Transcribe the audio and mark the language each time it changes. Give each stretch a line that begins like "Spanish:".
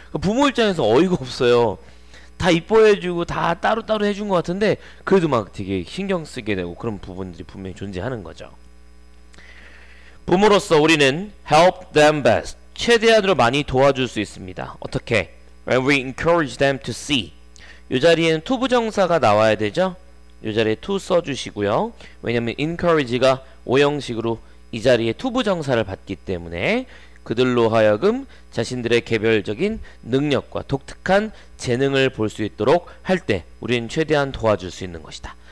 Korean: 부모 입장에서 어이가 없어요. 다 이뻐해주고 다 따로따로 해준 것 같은데 그래도 막 되게 신경 쓰게 되고 그런 부분들이 분명히 존재하는 거죠. 부모로서 우리는
English: help them best,
Korean: 최대한으로 많이 도와줄 수 있습니다. 어떻게?
English: When we encourage them to see.
Korean: 요 자리엔 to 부정사가 나와야 되죠. 요 자리에 to 써주시고요. 왜냐면 encourage가 오형식으로 이 자리에 투부정사를 받기 때문에 그들로 하여금 자신들의 개별적인 능력과 독특한 재능을 볼수 있도록 할때 우리는 최대한 도와줄 수 있는 것이다.